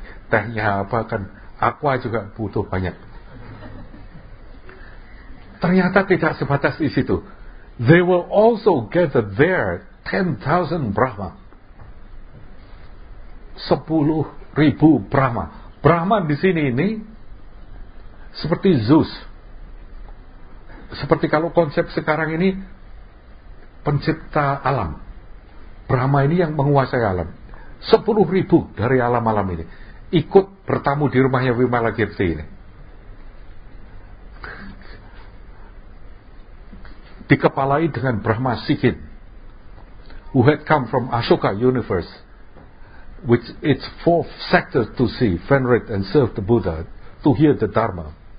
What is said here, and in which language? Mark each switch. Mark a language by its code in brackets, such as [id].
[id] Tehnya aqua juga butuh banyak. Ternyata tidak sebatas di situ. [en] They will also gather there 10,000 Brahma. [id] 10,000 Brahma. Brahma di sini ini seperti Zeus. Seperti kalau konsep sekarang ini pencipta alam. Brahma ini yang menguasai alam. 10,000 dari alam-alam ini ikut bertamu di rumahnya Vimalakirti ini. Dikepalai dengan [en] Brahma Sikin, who had come from Ashoka universe, which its fourth sector to see, venerate and serve the Buddha, to hear the Dharma.